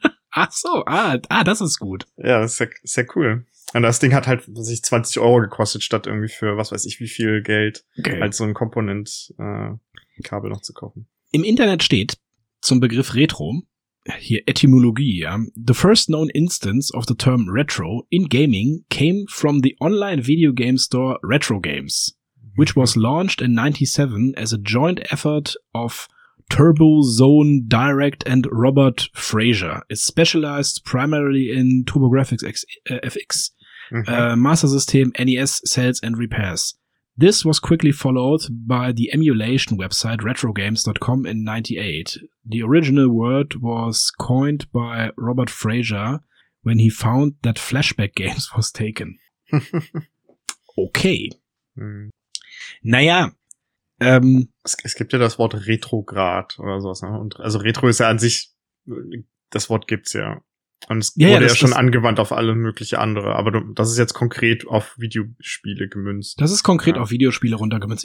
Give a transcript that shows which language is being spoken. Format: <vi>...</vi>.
<de>Ach so, das ist gut. Ja, das ist sehr, sehr cool. Und das Ding hat halt, was ich 20 Euro gekostet, statt irgendwie für was weiß ich wie viel Geld, halt so ein Komponentenkabel noch zu kaufen. Im Internet steht zum Begriff Retro, hier Etymologie, ja.</de> <en>The first known instance of the term retro in gaming came from the online video game store Retro Games, which was launched in 97 as a joint effort of Turbo Zone Direct and Robert Fraser. It specialized primarily in TurboGrafx FX, Master System, NES sales and repairs. This was quickly followed by the emulation website retrogames.com in 98. The original word was coined by Robert Fraser when he found that Flashback Games was taken.</en> <de>Okay. Hm. Naja. Es gibt ja das Wort Retrograd oder sowas. Ne? Und also Retro ist ja an sich, das Wort gibt's ja. Und es wurde angewandt auf alle mögliche andere. Aber das ist jetzt konkret auf Videospiele gemünzt. Das ist konkret auf Videospiele runtergemünzt.</de>